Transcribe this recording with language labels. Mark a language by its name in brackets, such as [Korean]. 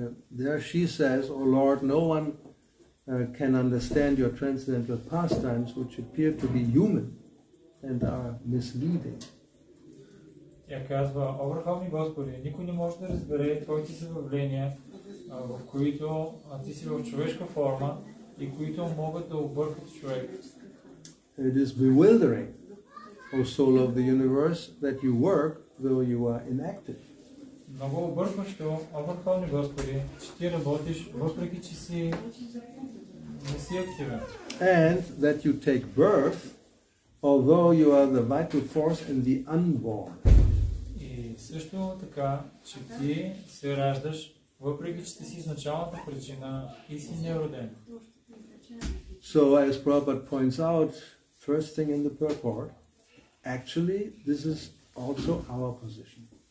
[English] There she says, O Lord, no one can understand your transcendental pastimes, which appear to be human and are misleading. [Bulgarian] Тя казва, О Върховни Господи, никой не може да разбере твоите забавления, в които ти си в човешка форма и които могат да объркат човек. [English] It is bewildering, O soul of the universe, that you work though you are inactive. [Bulgarian] Много объркващо, о Върховни Господи, че ти работиш, въпреки че си не си активен. [English] And that you take birth, although you are the vital force in the unborn. [Bulgarian] И също така, че ти се раждаш, въпреки че ти си изначалната причина и си нероден. [English] So as Prabhupada points out, first thing in the purport, actually this is also our position.